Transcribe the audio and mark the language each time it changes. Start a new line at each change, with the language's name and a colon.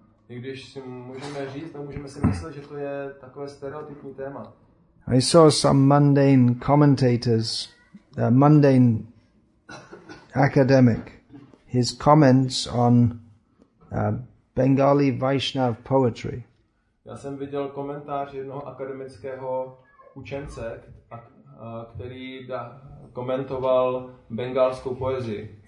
Czech: I když si můžeme říct, tak můžeme si myslet, že to je takové stereotypní téma.
English: I saw some mundane commentators. A mundane academic, his comments on Bengali Vaishnav poetry.
Czech: Já jsem viděl komentář jednoho akademického učence, který komentoval bengalskou poezii.